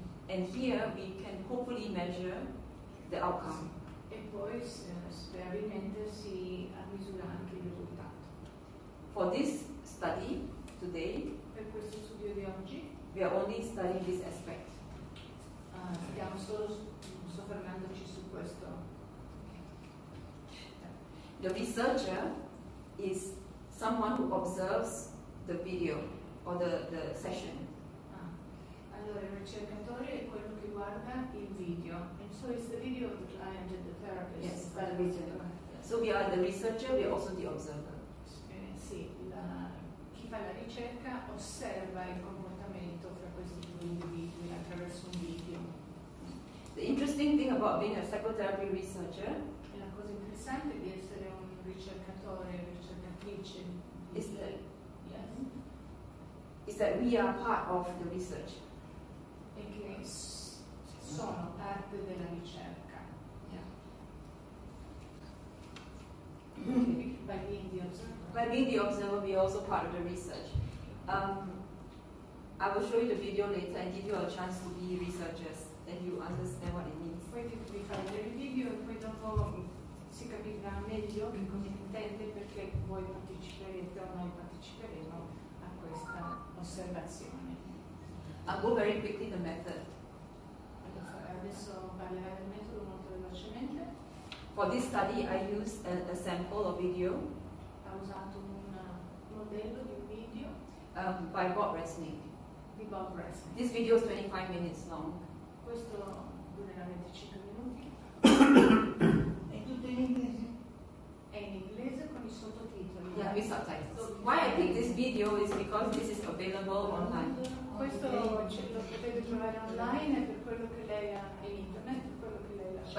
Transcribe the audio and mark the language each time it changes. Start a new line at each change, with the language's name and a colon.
English: And here we can hopefully measure the outcome.
Italian: E poi sperimenta si misura anche il risultato.
English: For this study today,
Italian: per questo studio di oggi,
English: we are only studying this aspect.
Italian: Stiamo solo soffermandoci su questo.
English: The researcher is someone who observes the video or the session.
Italian: Allora, il ricercatore è quello che guarda il video.
English: And so it's the video of the client and the therapist. Yes, by the video. So we are the researcher, we are also the observer.
Italian: Sì, chi fa la ricerca osserva il comportamento fra questi due individui attraverso un video.
English: The interesting thing about being a psychotherapy researcher,
Italian: e la cosa interessante di essere un ricercatore, ricercatrice,
English: is that we are part of the research.
Italian: E che sono parte della ricerca.
English: By being the observer, we are also part of the research. I will show you the video later and give you a chance to be researchers, and you understand what it means.
Italian: Poi ti puoi fare il video e poi dopo si capirà meglio che cosa intende, perché voi parteciperete o noi parteciperemo a questa osservazione.
English: I'll go very quickly the method.
Italian: Adesso parlerai del metodo molto velocemente.
English: For this study, I used a sample of video.
Italian: Ho usato un modello di un video.
English: By Bob Resnick.
Italian: Di Bob Resnick.
English: This video is 25 minutes long.
Italian: Questo durerà 25 minuti. È tutto in inglese. È in inglese con i sottotitoli.
English: Yeah, with subtitles. So, why I picked this video is because this is available online.
Italian: Questo lo potete trovare online e per quello che lei ha in internet, per quello che lei lascia.